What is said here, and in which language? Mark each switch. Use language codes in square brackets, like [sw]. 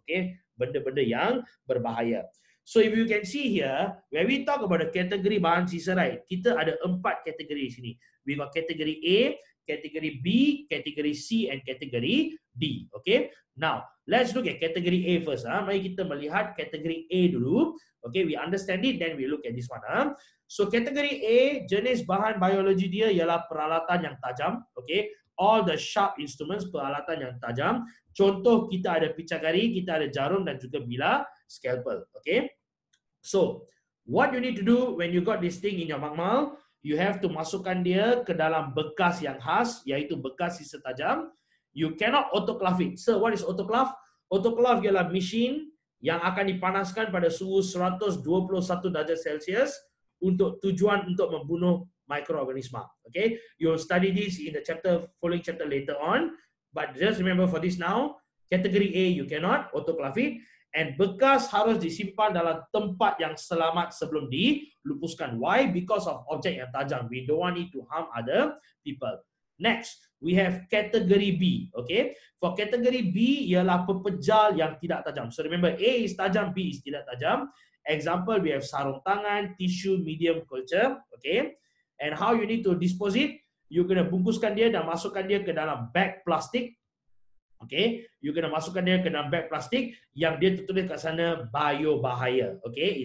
[en] Okay? Benda-benda yang berbahaya. So, if you can see here, when we talk about the kategori bahan sisa, right? [ms] Kita ada 4 kategori di sini. [en] We got kategori A, kategori B, kategori C and kategori D. Okay? Now, let's look at kategori A first. Huh? [ms] Mari kita melihat kategori A dulu. [en] Okay, we understand it, then we look at this one. Huh? [ms] So, kategori A, jenis bahan biologi dia ialah peralatan yang tajam. [en] Okay, all the sharp instruments, [ms] peralatan yang tajam. Contoh, kita ada picakari, kita ada jarum dan juga bilah scalpel. [en] Okay, so, what you need to do when you got this thing in your makmal, you have to [ms] masukkan dia ke dalam bekas yang khas, iaitu bekas sisa tajam. [en] You cannot autoclave it. So, what is autoclave? [ms] Autoclave ialah machine yang akan dipanaskan pada suhu 121 darjah Celsius untuk tujuan untuk membunuh mikroorganisma. [en] Okay? You'll study this in the chapter following chapter later on. But just remember for this now, kategori A, you cannot autoclave it. [ms] And bekas harus disimpan dalam tempat yang selamat sebelum dilupuskan. Why? [en] Because of [ms] objek yang tajam. [en] We don't want it to harm other people. Next, we have kategori B. Okay? [ms] For kategori B, ialah pepejal yang tidak tajam. [en] So remember, A is tajam, B is tidak tajam. Example, we have sarung tangan, tissue, medium culture. Okay? And how you need to dispose it? [ms] You kena bungkuskan dia dan masukkan dia ke dalam bag plastik. Okay? You kena masukkan dia ke dalam bag plastik yang dia tertulis kat sana, bio bahaya. Okay?